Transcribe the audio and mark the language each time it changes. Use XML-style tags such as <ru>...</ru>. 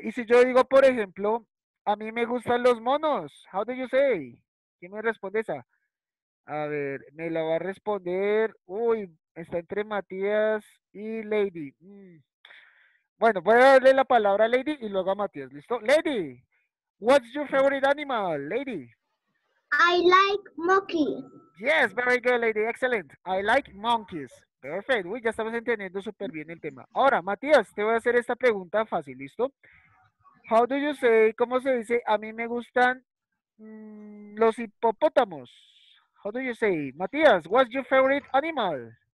<es>Y si yo digo, por ejemplo, a mí me gustan los monos.</es> <en>How do you say?</en> <es>¿Quién me responde esa? A ver, me la va a responder. Uy, está entre Matías y Lady. Bueno, voy a darle la palabra a Lady y luego a Matías. ¿Listo?</es> <en>Lady, what's your favorite animal, Lady? I like monkey. Yes, very good, Lady. Excellent. I like monkeys. Perfect.</en> <es>Uy, ya estamos entendiendo súper bien el tema. Ahora, Matías, te voy a hacer esta pregunta fácil, ¿listo?</es> <en>How do you say,</en> <es>cómo se dice, a mí me gustan los hipopótamos?</es> <en>How do you say? Matías, what's your favorite animal?</en>